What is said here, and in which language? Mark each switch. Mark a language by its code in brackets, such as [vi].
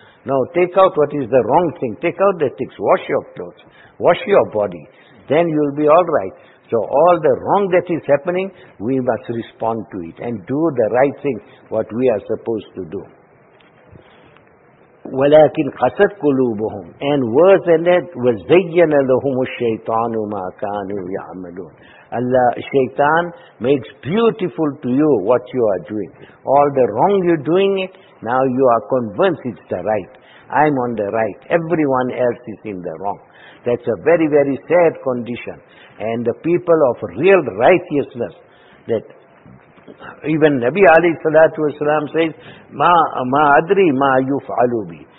[en] No, take out what is the wrong thing. Take out the ticks. Wash your clothes. Wash your body. Then you'll be all right. So all the wrong that is happening, we must respond to it and do the right thing, what we are supposed to do. [ar] وَلَكِنْ قَسَتْ قُلُوبُهُمْ. [en] And worse than that, [ar] وَزَيَّنَ لَهُمُ الشَّيْطَانُ مَا كَانُوا يَعْمَلُونَ. [en] Allah, shaitan makes beautiful to you what you are doing. All the wrong you're doing it, now you are convinced it's the right. I'm on the right. Everyone else is in the wrong. That's a very, very sad condition. And the people of real righteousness, that even Nabi alayhi salatu wasalam says, [ar] ma adri ma yuf'alu bi.